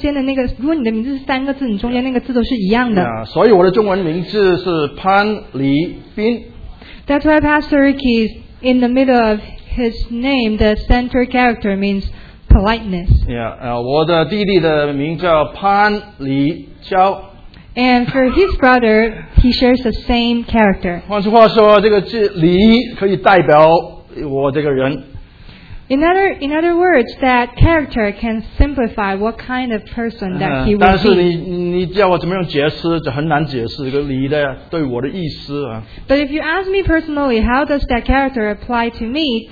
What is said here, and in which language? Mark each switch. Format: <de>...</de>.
<zh>如果有些人你们是有家谱的话，你知道有一种我们上一代有个文化，就是我们所有这个家族的人呢，同一代的话，那个中间的那个，如果你的名字是三个字，你中间那个字都是一样的。 yeah, 所以我的中文名字是潘黎斌。</zh> <en>That's why Pastor Ricky is in the middle of his name, the center character means politeness.</en> <zh>Yeah, 我的弟弟的名叫潘黎娇。</zh> <en>And for his brother, he shares the same character.</en> <zh>换句话说，这个字“黎”可以代表我这个人。</zh> <en>In other words, that character can simplify what kind of person that he would be.</en> <zh>但是你叫我怎么样解释，就很难解释这个“黎”的对我的意思啊。</zh> <en>But if you ask me personally, how does that character apply to me?</en>